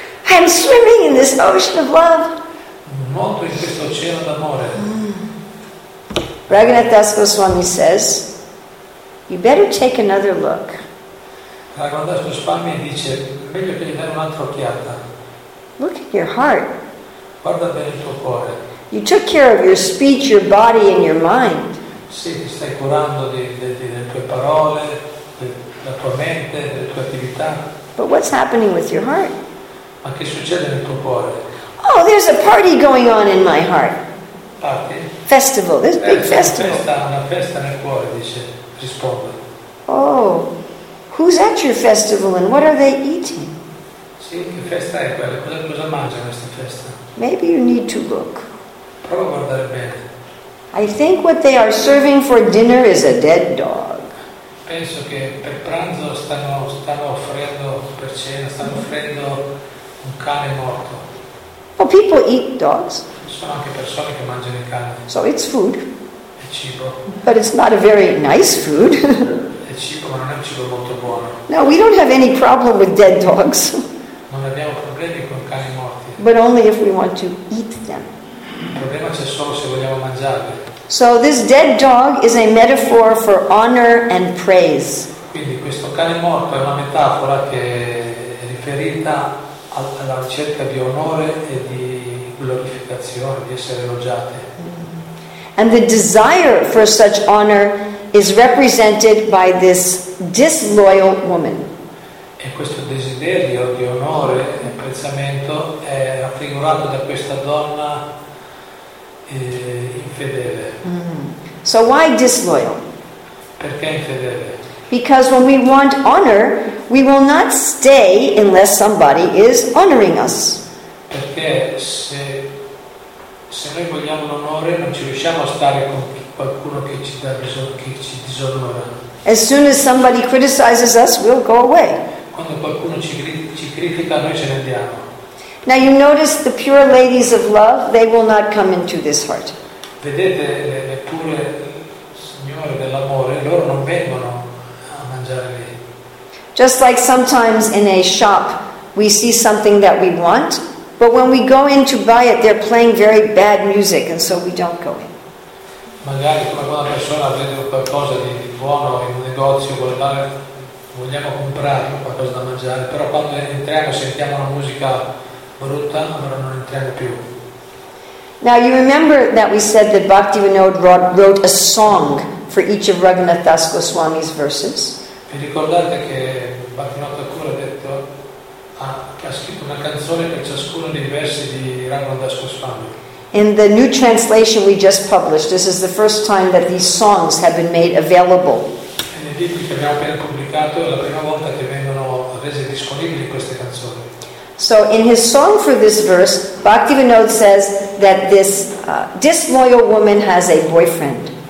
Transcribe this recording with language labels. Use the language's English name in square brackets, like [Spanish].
[English] I am swimming in this ocean of love. [Italian] Nuoto in questo oceano d'amore. [English] Raghunath Das Goswami says, "You better take another look." [Italian] Raghunath Das Goswami dice, "Meglio che gli dai un'altra occhiata." [English] Look at your heart. [Italian] Guarda bene il tuo cuore. [English] You took care of your speech, your body, and your mind. [Italian] Sì, ti stai curando delle tue parole, della tua mente, delle tue attività. [English] But what's happening with your heart? [Italian] Ma che succede nel tuo cuore? [English] Oh, there's a party going on in my heart. Party? Festival. There's a big festival. [Italian] Una festa nel cuore, dice, risponde. [English] Oh, who's at your festival and what are they eating? [Italian] Sì, che festa è quella? Cosa mangia questa festa? [English] Maybe you need to look. [Italian] Prova a guardare bene. [English] I think what they are serving for dinner is a dead dog. [Italian] Penso che per pranzo stanno offrendo, per cena stanno offrendo un cane morto. [English] Oh, people eat dogs. [Italian] Sono anche persone che mangiano il cane. [English] So it's food. [Italian] È cibo. [English] But it's not a very nice food. [Italian] È cibo, ma non è un cibo molto buono. [English] No, we don't have any problem with dead dogs. [Italian] Non abbiamo problemi con cani morti. [English] But only if we want to eat them. [Italian] Il problema c'è solo se vogliamo mangiarli. [English] So this dead dog is a metaphor for honor and praise. [Italian] Quindi questo cane morto è una metafora che è riferita alla ricerca di onore e di glorificazione, di essere elogiati. [English] And the desire for such honor is represented by this disloyal woman. [Italian] E questo desiderio di onore e apprezzamento è raffigurato da questa donna infedele. Mm-hmm. [English] So why disloyal? [Italian] Perché infedele? [English] Because when we want honor, we will not stay unless somebody is honoring us. [Italian] Perché se noi vogliamo l'onore, non ci riusciamo a stare con qualcuno che ci dà che ci disonora. [English] As soon as somebody criticizes us, we'll go away. [Italian] Quando qualcuno ci critica, noi ce ne andiamo. [English] Now you notice the pure ladies of love, they will not come into this heart. [Italian] Vedete le pure signore dell'amore, loro non vengono a mangiare lì. [English] Just like sometimes in a shop we see something that we want, but when we go in to buy it they're playing very bad music and so we don't go in. [Italian] Magari come quando una persona vede qualcosa di buono in un negozio, vogliamo comprare qualcosa da mangiare, però quando entriamo sentiamo una musica brutta, allora non entriamo più. [English] Now you remember that we said that Bhaktivinoda wrote a song for each of Raghunath Das Goswami's verses. [Italian] Vi ricordate che Bhaktivinoda Thakura ha scritto una canzone per ciascuno dei versi di Raghunath Das Goswami? [English] In the new translation we just published, this is the first time that these songs have been made available. [Italian] Nei libri che abbiamo appena pubblicato è la prima volta che vengono rese disponibili queste canzoni. [English] So in his song for this verse, Bhaktivinoda says that this disloyal woman has a boyfriend.